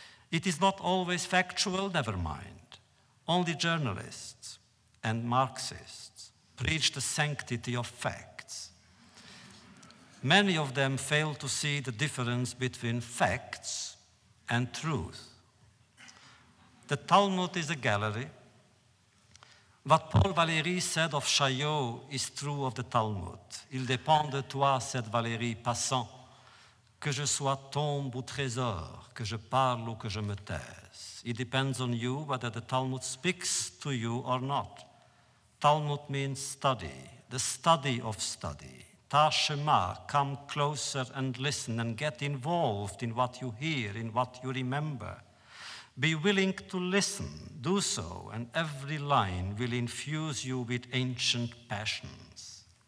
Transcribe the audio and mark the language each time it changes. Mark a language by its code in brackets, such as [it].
[en] It is not always factual, never mind. Only journalists and Marxists preach the sanctity of facts. Many of them fail to see the difference between facts and truth. The Talmud is a gallery. What Paul Valéry said of Chaillot is true of the Talmud. [fr] Il dépend de toi, said Valéry, passant, que je sois tombe ou trésor, que je parle ou que je me taise. [en] It depends on you whether the Talmud speaks to you or not. Talmud means study, the study of study. Ta Shema, come closer and listen and get involved in what you hear, in what you remember. Be willing to listen, do so, and every line will infuse you with ancient passions.